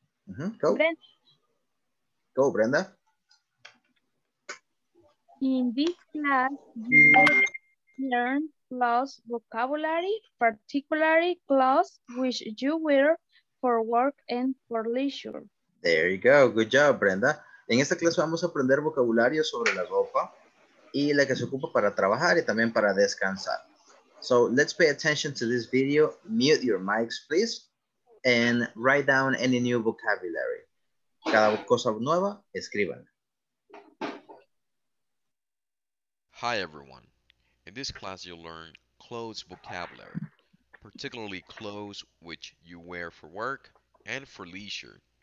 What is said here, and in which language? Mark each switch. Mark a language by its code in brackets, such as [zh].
[en] Mm-hmm. Go. Go, Brenda. In this class, you will learn clothes vocabulary, particularly clothes which you wear for work and for leisure. There you go. Good job, Brenda. [es] En esta clase vamos a aprender vocabulario sobre la ropa y la que se ocupa para trabajar y también para descansar. [en] So let's pay attention to this video. Mute your mics, please, and write down any new vocabulary. [es] Cada cosa nueva, escríbanla. [en] Hi everyone. In this class you'll learn clothes vocabulary, particularly clothes which you wear for work and for leisure.